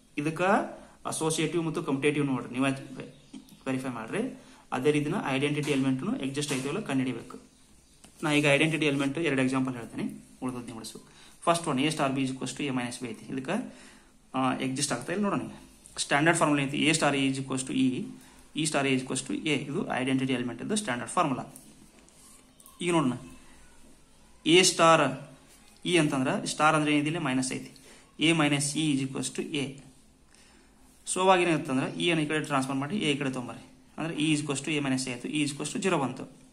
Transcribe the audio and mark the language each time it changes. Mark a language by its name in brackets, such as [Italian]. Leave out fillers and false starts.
[Kannada] ಇದಕ್ಕೆ ಅಸೋಸಿಯೇಟಿವ್ ಮತ್ತು ಕಂಪ್ಯೂಟೇಟಿವ್ ನೋಡ್ರಿ, ನೀವೇ ವೆರಿಫೈ ಮಾಡ್ರಿ. ಅದೇ ರೀತಿನ ಐಡೆಂಟಿಟಿ ಎಲಿಮೆಂಟ್ನು ಎಕ್ಸಿಸ್ಟ್ ಐತಿವೆಲ್ಲ ಕಂಡುಹಿಡಿಬೇಕು. ನಾ ಈಗ ಐಡೆಂಟಿಟಿ ಎಲಿಮೆಂಟ್ 2 ಎಕ್ಸಾಂಪಲ್ ಹೇಳ್ತೀನಿ, ಉಳಿದದ್ದು ನೀವು ಬಿಡಿಸ್ಬೇಕು. 1 [English] A star B is equals to A minus B [Kannada] ಐತಿ, ಇದಕ್ಕೆ ಎಕ್ಸಿಸ್ಟ್ ಆಗ್ತಾ ಇಲ್ಲ ನೋಡೋಣ. [English] standard formula a star a is equals to e, e star a is equals to a, [Kannada] ಇದು ಐಡೆಂಟಿಟಿ ಎಲಿಮೆಂಟ್ ಇದು ಸ್ಟ್ಯಾಂಡರ್ಡ್ ಫಾರ್ಮುಲಾ. ಈಗ ನೋಡೋಣ, ಎ ಸ್ಟಾರ್ ಇ ಅಂತಂದ್ರೆ ಸ್ಟಾರ್ ಅಂದ್ರೆ ಏನಿದೆ ಇಲ್ಲಿ ಮೈನಸ್ ಐತಿ, [English] A minus E is equals to A. [Kannada] ಸೊ ಅವಾಗ ಏನಾಗುತ್ತಂದ್ರೆ ಇ ಅನ್ನು ಈ ಕಡೆ ಟ್ರಾನ್ಸ್ಫರ್ ಮಾಡಿ ಎ ಕಡೆ ತೊಂಬರಿ, ಅಂದ್ರೆ [English] E is equals to A minus A [Kannada] ಆಯಿತು, ಇ ಈಜ್ ಕ್ವಸ್ಟು ಜೀರೋ ಬಂತು.